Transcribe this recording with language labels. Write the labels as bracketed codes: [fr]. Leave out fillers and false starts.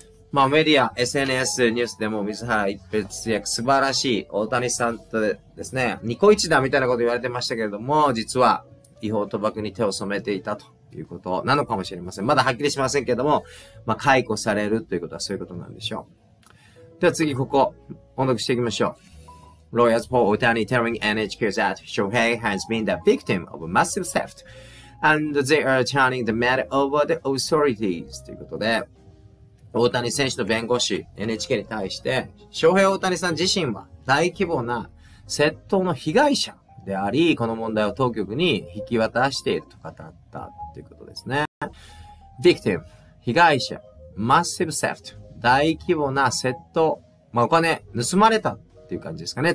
[ja] まあメディア、SNS、ニュースでも水原一平通訳素晴らしい、大谷さんとですね、ニコイチだみたいなこと言われてましたけれども、実は違法賭博に手を染めていたということなのかもしれません。まだはっきりしませんけれども、まあ解雇されるということはそういうことなんでしょう。では次、ここ音読していきましょう。 [en] Lawyers for Otani telling NHK that Shohei has been the victim of massive theft and they are turning the matter over the authorities. [ja] ということで、大谷選手の弁護士 NHK に対して、翔平大谷さん自身は大規模な窃盗の被害者であり、この問題を当局に引き渡していると語ったということですね。 victim 被害者、 massive theft 大規模な窃盗、まあ、お金盗まれたっていう感じですかね。